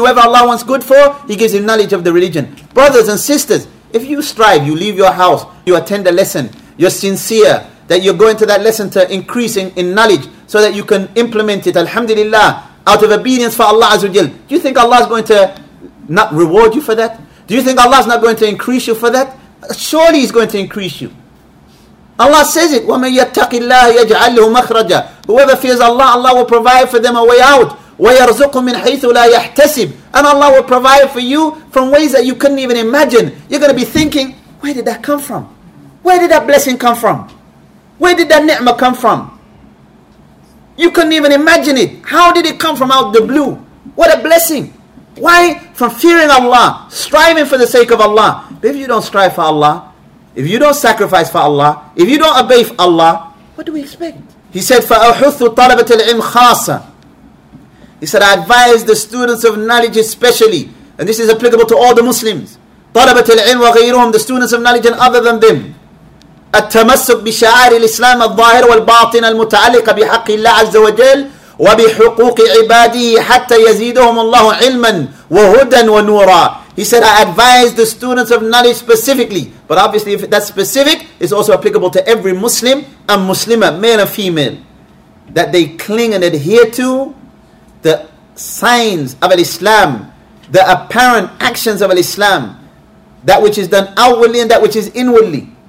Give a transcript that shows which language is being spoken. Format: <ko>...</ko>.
<en>Whoever Allah wants good for, he gives him knowledge of the religion. Brothers and sisters, if you strive, you leave your house, you attend a lesson, you're sincere, that you're going to that lesson to increase in knowledge so that you can implement it, Alhamdulillah, out of obedience for Allah Azza wa Jal. Do you think Allah is going to not reward you for that? Do you think Allah is not going to increase you for that? Surely He's going to increase you. Allah says it,</en> <ar>وَمَنْ يَتَّقِ اللَّهَ يَجْعَلْهُ مَخْرَجًا.</ar> <en>Whoever fears Allah, Allah will provide for them a way out.</en> <ar>وَيَرْزُقُهُ مِنْ حَيْثُ لَا يَحْتَسِبُ.</ar> <en>And Allah will provide for you from ways that you couldn't even imagine. You're going to be thinking, where did that come from? Where did that blessing come from? Where did that ni'mah come from? You couldn't even imagine it. How did it come from out the blue? What a blessing. Why? From fearing Allah, striving for the sake of Allah. But if you don't strive for Allah, if you don't sacrifice for Allah, if you don't obey for Allah, what do we expect? He said,</en> <ar>فَأَحُثُّ طَلَبَةَ الْعِلْمِ خَاسَ.</ar> <en>He said, I advise the students of knowledge especially. And this is applicable to all the Muslims.</en> <ar>طَلَبَةَ الْعِلْمِ وَغَيْرُهُمْ,</ar> <en>the students of knowledge and other than them.</en> <ar>التمسك بشعائر الإسلام الظاهر والباطن المتعلقة بحق الله عز وجل وبحقوق عباده حتى يزيدهم الله علما وهدى ونورا.</ar> <en>He said, I advise the students of knowledge specifically. But obviously if that's specific, it's also applicable to every Muslim and Muslima, male and female, that they cling and adhere to the signs of Al-Islam, the apparent actions of Al-Islam, that which is done outwardly and that which is inwardly.</en>